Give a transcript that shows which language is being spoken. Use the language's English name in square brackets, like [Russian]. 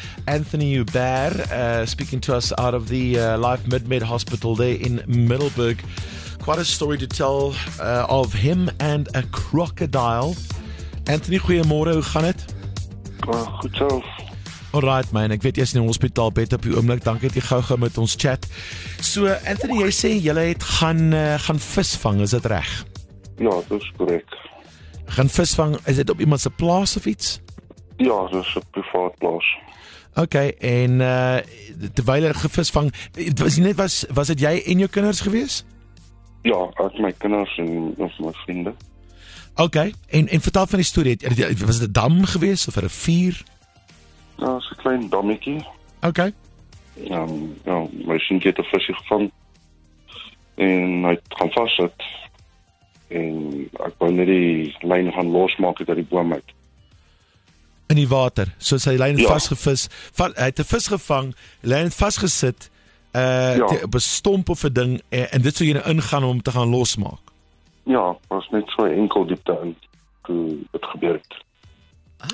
[English] Anthony Hubert speaking to us out of the Life MedMed Hospital there in Middelburg. Quite a story to tell of him and a crocodile. [Afrikaans] Anthony, goeiemôre, hoe gaan dit? Goed so. Alright man, ek weet jy is in die hospitaal bed op die oomlik. Dankie dat jy gou met ons chat. So Anthony, jy sê jy het gaan vis vang, is dit reg? Ja, dit is korrek. Gaan vis vang, is dit op iemand se plaas of iets? Ja, dit is op privaat plaas. Okay, en terwyl jy gevis vang, was dit jy en jou kinders gewees? Ja, ek my kinders en ons my vriende. Okay, en vertel van die story, was dit 'n dam gewees of 'n rivier? Ja, so 'n klein dammetjie. Okay. Ja, my sintjie het 'n visie gevang en hy het gaan vassit. En ek wou net die lyn gaan losmaak uit die boom uit. In die water, so is hy lyn vastgevis. Hy het 'n vis gevang, lyn vastgesit op 'n stomp of 'n ding en dit sou jy ingaan om te gaan losmaak. Ja, was net so enkel diepte in toe het gebeur het.